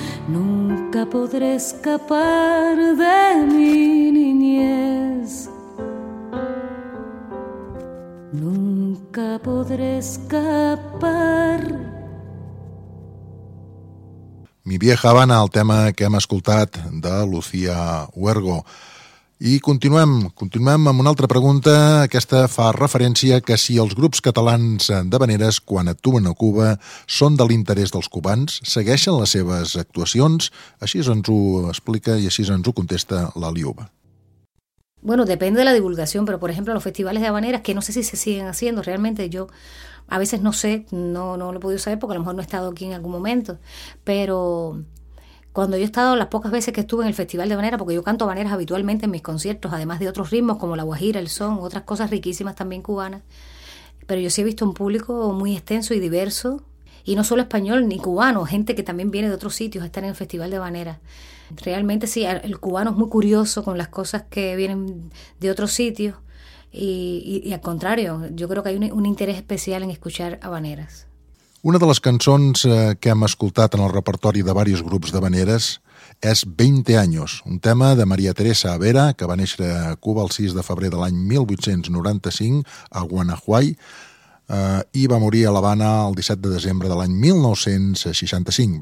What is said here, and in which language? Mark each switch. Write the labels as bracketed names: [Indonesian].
[Spanish] Nunca podré escapar de mi niñez. Nunca podré escapar. [Catalan] Mi vieja Habana, el tema que hem escoltat de Lucía Huergo. I continuem amb una altra pregunta. Aquesta fa referència que si els grups catalans d'habaneres, quan actuen a Cuba, són de l'interès dels cubans, segueixen les seves actuacions. Així ens ho explica i així ens ho contesta la Liuba. [Spanish] Bueno, depende de la divulgación, pero por ejemplo los festivales de habaneras, que no sé si se siguen haciendo realmente, yo a veces no sé, no lo he podido saber porque a lo mejor no he estado aquí en algún momento, pero cuando yo he estado, las pocas veces que estuve en el festival de habaneras, porque yo canto habaneras habitualmente en mis conciertos, además de otros ritmos como la guajira, el son, otras cosas riquísimas también cubanas, pero yo sí he visto un público muy extenso y diverso, y no solo español ni cubano, gente que también viene de otros sitios a estar en el festival de habaneras. Realmente sí, el cubano es muy curioso con las cosas que vienen de otros sitios y al contrario, yo creo que hay un interés especial en escuchar habaneras. [Catalan] Una de les cançons que hem escoltat en el repertori de varios grups d'habaneres és 20 años, un tema de María Teresa Avera, que va néixer a Cuba el 6 de febrer de l'any 1895 a Guanajuato, i va morir a l'Havana el 17 de desembre de l'any 1965.